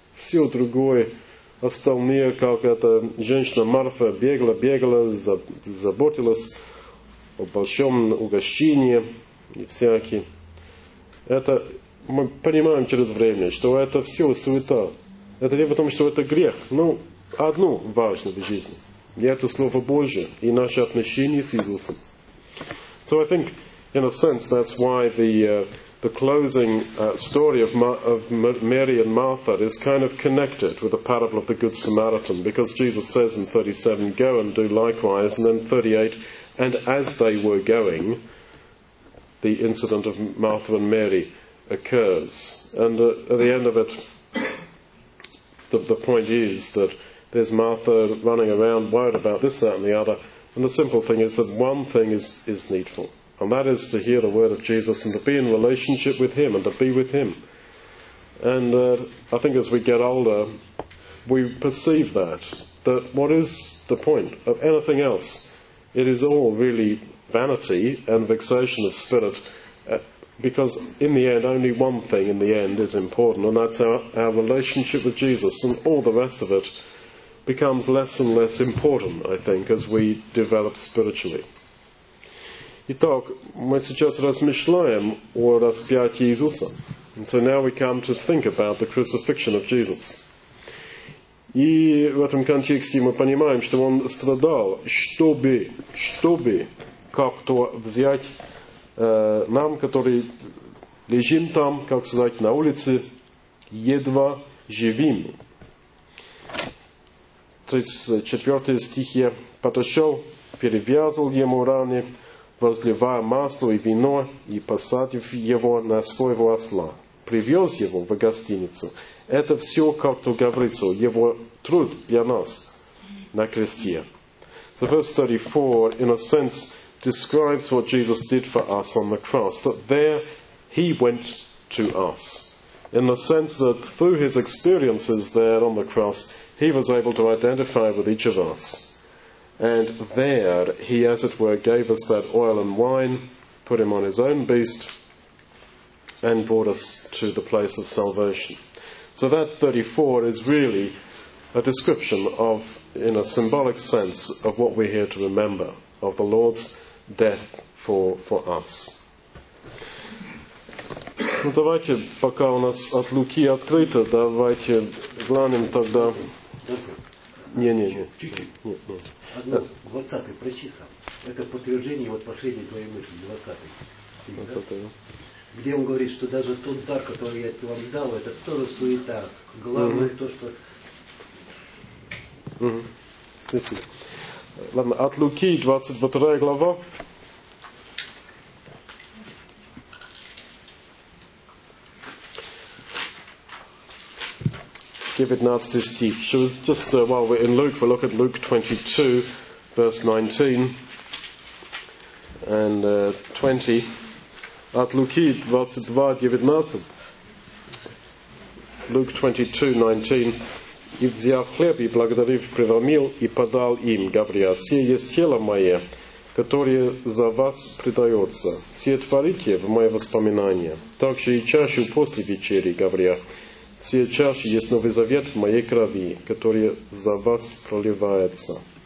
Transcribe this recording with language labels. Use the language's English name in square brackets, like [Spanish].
[Russian] Все другое остальные, как эта женщина Марфа бегала, заботилась о большом угощении и всякие. Это мы понимаем через время, что это все суета. Это не потому, что это грех. Но одно важно в жизни. И это Слово Божие и наше отношение с Иисусом. [English] So I think, in a sense, that's why the closing story of Mary and Martha is kind of connected with the parable of the Good Samaritan, because Jesus says in 37, go and do likewise, and then 38, and as they were going, the incident of Martha and Mary occurs. And at the end of it, the point is that there's Martha running around worried about this, that, and the other, and the simple thing is that one thing is needful. And that is to hear the word of Jesus and to be in relationship with Him and to be with Him. And I think as we get older, we perceive that what is the point of anything else? It is all really vanity and vexation of spirit, because in the end, only one thing in the end is important, and that's our relationship with Jesus, and all the rest of it becomes less and less important, I think, as we develop spiritually. [Russian] Итак, мы сейчас размышляем о распятии Иисуса. [English] And so now we come to think about the crucifixion of Jesus. [Russian] И в этом контексте мы понимаем, что Он страдал, чтобы как-то взять нам, которые лежим там, как сказать, на улице, едва живим. 34 стих. Подошел, перевязал Ему раны, возливая масло и вино, и посадив его на своего осла, привез его в гостиницу. Это все, как то говорится, его труд для нас на кресте. So verse 34, in a sense, describes what Jesus did for us on the cross, that there he went to us. In the sense that through his experiences there on the cross, he was able to identify with each of us. And there he, as it were, gave us that oil and wine, put him on his own beast, and brought us to the place of salvation. So that 34 is really a description of, in a symbolic sense, of what we're here to remember, of the Lord's death for us. Ну давайте, пока у нас от Луки открыто, давайте глянем тогда... Нет. 20-й прочитал. Это подтверждение вот последней твоей мысли, 20-й. Где он говорит, что даже тот дар, который я вам дал, это тоже суета. Главное то, что... Ладно, от Луки, 22 глава. 15 стих. [English] So just while we're in Luke, we'll look at Luke 22, verse 19 and 20. [Russian] От Луки 22:19. Luke 22:19. И взяв хлеб, и благодарив, преломил и подал им, говоря: «Сие есть тело мое, которое за вас предается. Сие творите в мое воспоминание». Также и чашу после вечери, говоря: «Сие чаша есть новый завет в моей крови, которая за вас проливается».